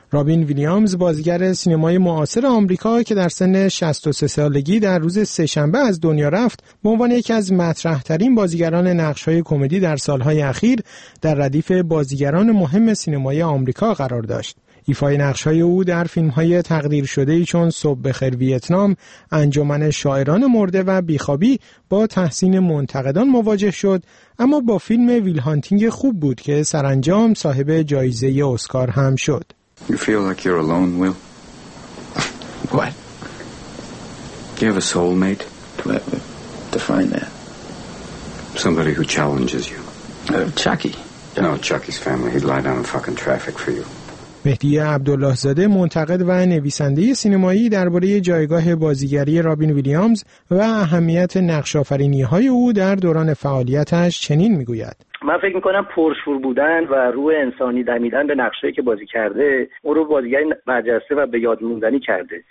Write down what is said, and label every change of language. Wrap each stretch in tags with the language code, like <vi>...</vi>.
<fa>رابین ویلیامز، بازیگر سینمای معاصر آمریکا که در سن 63 سالگی در روز سه‌شنبه از دنیا رفت، به عنوان یکی از مطرح‌ترین بازیگران نقش‌های کمدی در سال‌های اخیر در ردیف بازیگران مهم سینمای آمریکا قرار داشت. ایفای نقش‌های او در فیلم‌های تقدیر شده‌ای چون صبح بخیر ویتنام، انجمن شاعران مرده و بیخوابی با تحسین منتقدان مواجه شد، اما با فیلم ویل هانتینگ خوب بود که سرانجام صاحب جایزه اسکار هم شد.</fa> <en>You feel like you're alone, Will. What? Do you have a soulmate? Define that. Somebody who challenges you. Chucky. No, Chucky's family. He'd lie down in fucking traffic for you.</en> <fa>مهدی عبدالله زاده منتقد و نویسنده سینمایی درباره جایگاه بازیگری رابین ویلیامز و اهمیت نقش‌آفرینی‌های او در دوران فعالیتش چنین می‌گوید: من فکر میکنم پرشور بودن و روح انسانی دمیدن به نقشه‌ای که بازی کرده او رو بازیگر برجسته و به یاد موندنی کرده.</fa>